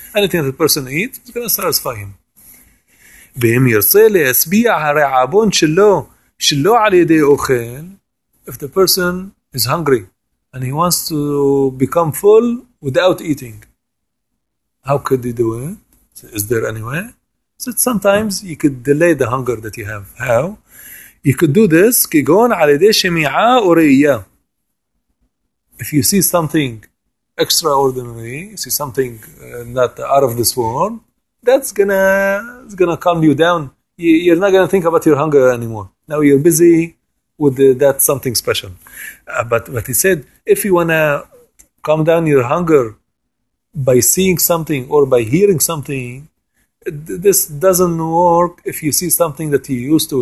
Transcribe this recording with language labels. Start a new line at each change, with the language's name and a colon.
English: Anything that the person eats, it's going to satisfy him.
Hebrew: ואם ירצה להסביע הרעבון שלו, שלא על ידי אוכל,
English: if the person is hungry and he wants to become full without eating, how could he do it? Is there any way? So sometimes you could delay the hunger that you have. How? You could do this,
Hebrew: כגון על ידי שמיעה או ראייה.
English: If you see something extraordinary, you see something not out of this world, that's gonna calm you down. You're not gonna think about your hunger anymore. Now you're busy with that something special. But he said, if you wanna calm down your hunger by seeing something or by hearing something, this doesn't work if you see something that you're used to.